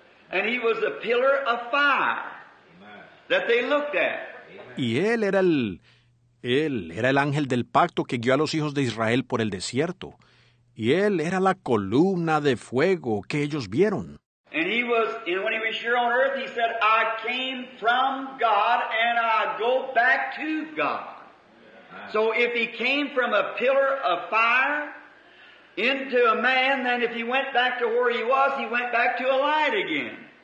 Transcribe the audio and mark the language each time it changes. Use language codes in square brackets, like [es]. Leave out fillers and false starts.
[en] And he was a pillar of fire. Amen. That they looked at. [es] Y él era el ángel del pacto que guió a los hijos de Israel por el desierto. Y él era la columna de fuego que ellos vieron. [en] And when he was here on earth, he said, I came from God and I go back to God. So if he came from a pillar of fire into a man, then if he went back to where he went back to a light again.